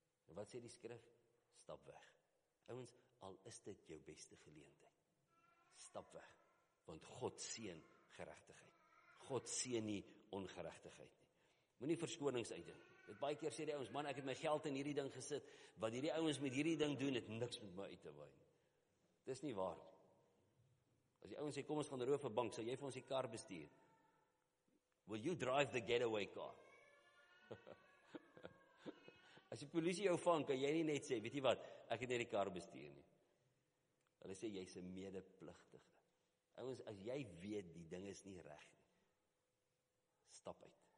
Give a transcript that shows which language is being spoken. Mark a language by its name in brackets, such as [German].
[Afrikaans] En wat sê die skrif? Stap weg. Ouens, al is dit jou beste geleentheid, stap weg, want God seën geregtigheid. God seën nie ongeregtigheid. Moenie verskonings uitdink. Dit baie keer sê die ouens, man, ek het my geld in hierdie ding gesit. Wat hierdie ouens met hierdie ding doen, het niks met my uit te waai. Dis nie waar. As die ouens sê, kom ons gaan roof 'n bank, sal jy vir ons die kar bestuur? [English] Will you drive the getaway car? [Afrikaans] As die polisie jou vang, kan jy nie net sê, weet jy wat, ek het nie die kar bestuur nie. Hulle sê, jy is 'n medepligtige. Ouens, as jy weet, die ding is nie reg nie, stap uit.